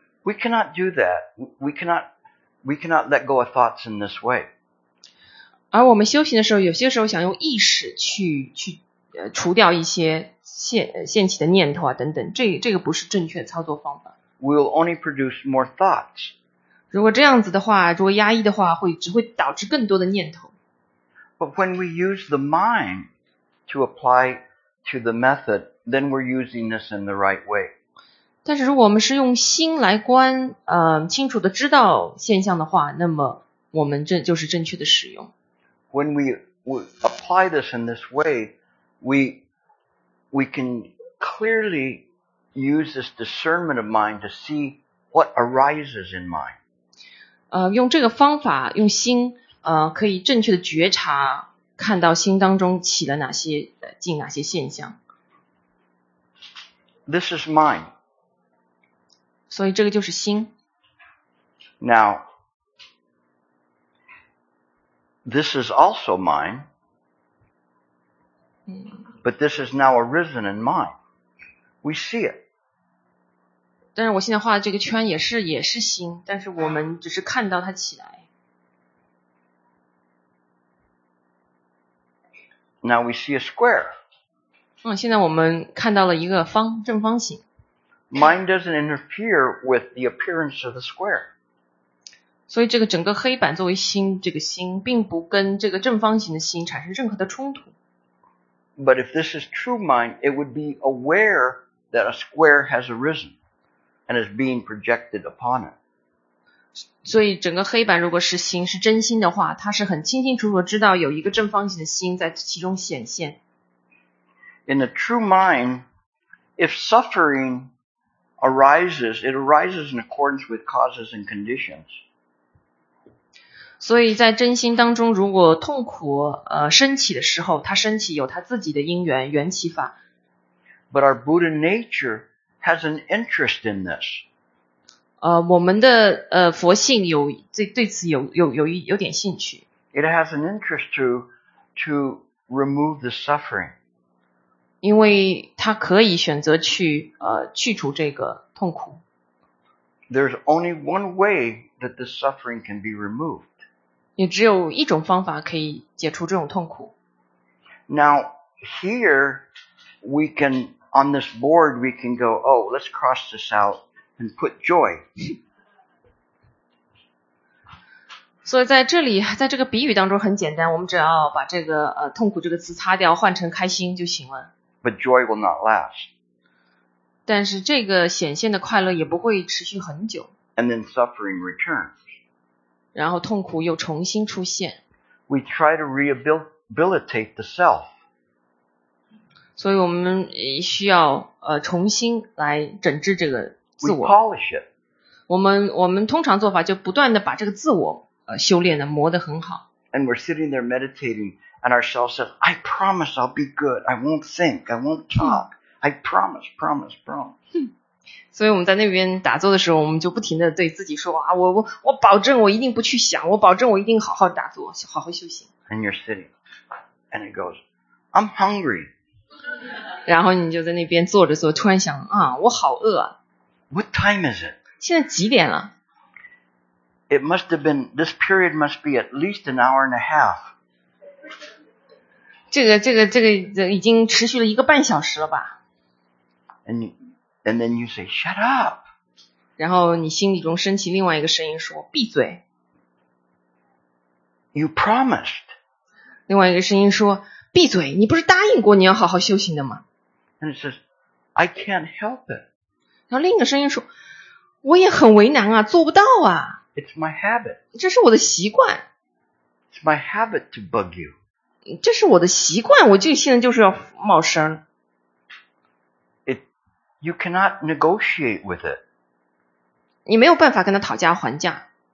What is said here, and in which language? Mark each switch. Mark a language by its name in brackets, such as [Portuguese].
[English] We cannot do that. We cannot let go of thoughts in this way. [Chinese] 而我们修行的时候，有些时候想用意识去除掉一些现起的念头啊等等，这个不是正确操作方法。 [English] We'll only produce more thoughts. [Chinese] 如果这样子的话，如果压抑的话，只会导致更多的念头。 [English] But when we use the mind to apply to the method, then we're using this in the right way. [Chinese] 但是如果我们是用心来观清楚地知道现象的话，那么我们就是正确的使用。 [English] When we apply this in this way, we can clearly use this discernment of mind to see what arises in mind. [Chinese] 用这个方法，用心可以正确的觉察，看到心当中起了哪些进哪些现象。 [English] This is mind. [Chinese] 所以这个就是心。 [English] Now, this is also mine, but this is now arisen in mine. We see it. [Chinese] 但是我现在画的这个圈也是心，但是我们只是看到它起来。 [English] Now we see a square. [Chinese] 现在我们看到了一个正方形。 [English] Mind doesn't interfere with the appearance of the square. [Chinese] 所以这个整个黑板作为心，这个心并不跟这个正方形的心产生任何的冲突。 [English] But if this is true mind, it would be aware that a square has arisen and is being projected upon it. [Chinese] 所以整个黑板如果是心，是真心的话，它是很清清楚楚知道有一个正方形的心在其中显现。 [English] In the true mind, if sufferingarises, it arises in accordance with causes and conditions. [Chinese] 所以在真心当中，如果痛苦升起的时候，它升起有它自己的因缘，缘起法。 [English] But our Buddha nature has an interest in this. [Chinese] 我们的佛性有对此有点兴趣。 [English] It has an interest to remove the suffering. [Chinese] 因为他可以选择去除这个痛苦。 [English] There's only one way that the suffering can be removed. [Chinese] 也只有一种方法可以解除这种痛苦。 [English] Now, here, we can, on this board, we can go, oh, let's cross this out and put joy. [Chinese] 所以在这里，在这个比喻当中很简单，我们只要把这个痛苦这个词擦掉，换成开心就行了。 [English] But joy will not last. [Chinese] 但是这个显现的快乐也不会持续很久。 [English] And then suffering returns. [Chinese] 然后痛苦又重新出现。 [English] We try to rehabilitate the self. [Chinese] 所以我们需要重新来整治这个自我。 [English] We polish it. [Chinese] 我们通常做法就不断的把这个自我修炼的磨得很好。 [English] And we're sitting there meditating, and ourselves says, "I promise I'll be good. I won't think. I won't talk. I promise, promise, promise." [Chinese] 所以我们在那边打坐的时候，我们就不停的对自己说啊，我保证我一定不去想，我保证我一定好好打坐，好好修行。 [English] And you're sitting, and it goes, "I'm hungry." [Chinese] 然后你就在那边坐着坐，突然想啊，我好饿啊。 [English] What time is it? [Chinese] 现在几点了？ [English] It must have been, this period must be at least an hour and a half. [Chinese] 这个已经持续了一个半小时了吧。 [English] And then you say, shut up. [Chinese] 然后你心里中升起另外一个声音说，闭嘴。 [English] You promised. [Chinese] 另外一个声音说，闭嘴，你不是答应过你要好好修行的吗？ [English] And it says, I can't help it. [Chinese] 然后另一个声音说，我也很为难啊，做不到啊。 [English] It's my habit. [Chinese] 这是我的习惯。 [English] It's my habit to bug you. [Chinese] 这是我的习惯，我就现在就是要冒声。 [English] You cannot negotiate with it. [Chinese] 你没有办法跟他讨价还价。